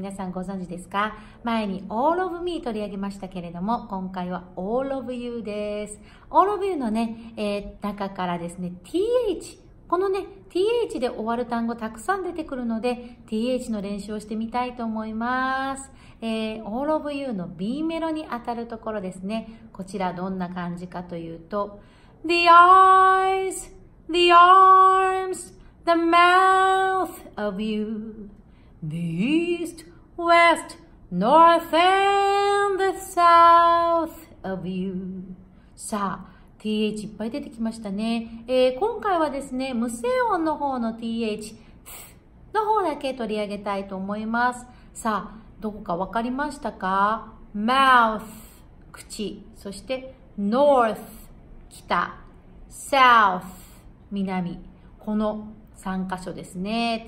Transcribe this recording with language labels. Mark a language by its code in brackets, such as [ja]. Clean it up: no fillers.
[ja] 皆さんご存知ですか？前に All of Me 取り上げましたけれども、今回は All of You です。 All of You のね、中からですね TH、 このね TH で終わる単語たくさん出てくるので TH の練習をしてみたいと思います。 All of You の B メロに当たるところですね。こちらどんな感じかというと [en] The eyes, the armsThe mouth of you, the east, west, north and the south of you. [ja] さあ、TH いっぱい出てきましたね。今回はですね、無声音の方の TH の方だけ取り上げたいと思います。さあ、どこかわかりましたか？Mouth、口、そして North、北、South、南、この3箇所ですね。